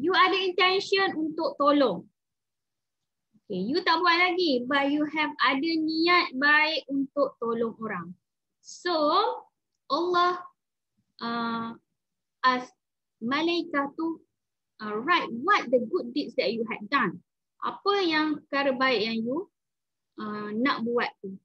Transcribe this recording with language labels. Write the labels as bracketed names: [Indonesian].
[Malay] You ada intention untuk tolong. Okay. You tak buat lagi. [English] But you have [Malay] ada niat baik untuk tolong orang. [English] So, Allah as malaikat tu write what the good deeds that you had done. [Malay] Apa yang perkara baik yang you nak buat tu.